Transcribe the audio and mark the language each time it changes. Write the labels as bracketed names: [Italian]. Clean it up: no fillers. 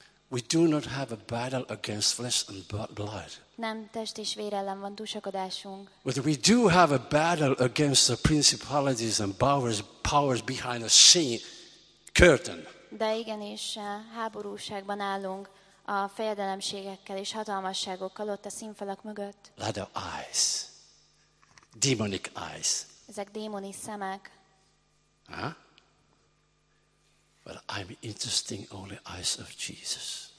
[English] We do not have a battle against flesh and blood. [Hungarian] Nem test és vér ellen van dúsakodásunk. [English] But we do have a battle against the principalities and powers behind the scene curtain. [Hungarian] De igenis háborúságban állunk a fejedelemségekkel és hatalmasságokkal ott a színfalak mögött. [English] Ladder eyes. Demonic eyes. [Hungarian] Ezek démoni szemek. [English] Huh? But I'm interested only eyes of Jesus.